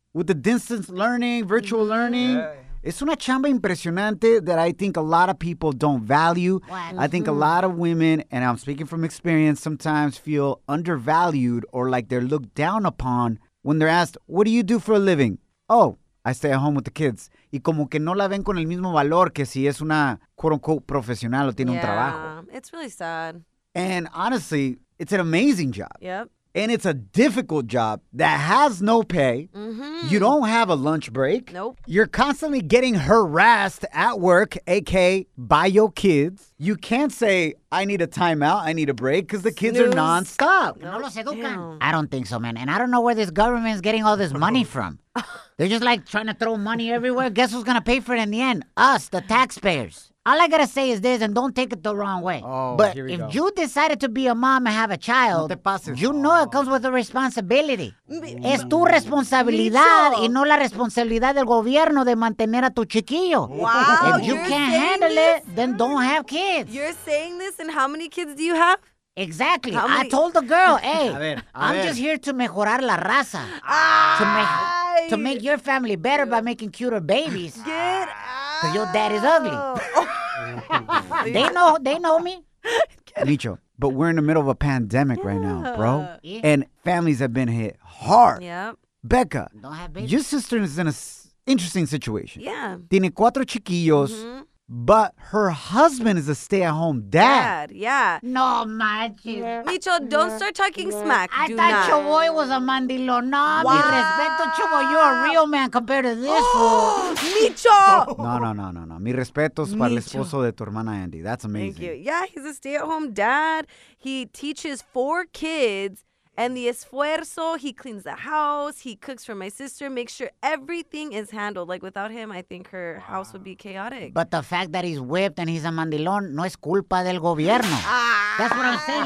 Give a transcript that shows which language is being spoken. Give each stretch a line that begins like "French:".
English: With the distance learning, virtual learning. Yeah. It's
Spanish: una chamba impresionante
English: that I think a lot of people don't value. Well, I think a lot of women, and I'm speaking from experience, sometimes feel undervalued or like they're looked down upon when they're asked, what do you do for a living? Oh, I stay at home with the kids.
Spanish: Y como que no la ven con el mismo valor que si es una quote-unquote profesional o tiene un trabajo.
English: It's really sad. And honestly, it's an amazing job. Yep. And it's a difficult job that has no pay. Mm-hmm. You don't have a lunch break. Nope. You're constantly getting harassed at work, aka by your kids. You can't say, I need a timeout, I need a break, because the kids are nonstop. Nope. I don't think so, man. And I don't know where this government is getting all this money from. They're just like trying to throw money everywhere. Guess who's going to pay for it in the end? Us, the taxpayers. All I gotta say is this, and don't take it the wrong way. But if you decided to be a mom and have a child, you know it comes with a responsibility.
Spanish: Es tu responsabilidad y no la responsabilidad del gobierno de mantener a tu chiquillo.
English: Wow. If you can't handle it, then don't have kids. You're saying this, and how many kids do you have? Exactly. I told the girl, hey, I'm just here to
Spanish: mejorar la raza.
English: To make your family better by making cuter babies. Get out. Because your dad is ugly. They know me. Micho, but we're in the middle of a pandemic right now, bro. Yeah. And families have been hit hard. Yep. Becca, don't have babies. Your sister is in an interesting situation. Yeah.
Spanish: Tiene cuatro chiquillos,
English: but her husband is a stay-at-home dad. Yeah.
Spanish: No, manches. Yeah.
English: Micho, don't start talking smack. I thought Chavoy was a mandilón.
Spanish: No, mi respeto,
English: Chavoy. You're a real man compared to this fool. Micho! No.
Spanish: Mi respeto es para el esposo de tu hermana Andy.
English: That's amazing. Thank you. Yeah, he's a stay-at-home dad. He teaches four kids, And the esfuerzo, he cleans the house, he cooks for my sister, makes sure everything is handled. Like, without him, I think her house would be chaotic. But the fact that he's whipped and he's a mandilón
Spanish: no es culpa del gobierno.
English: That's what I'm saying.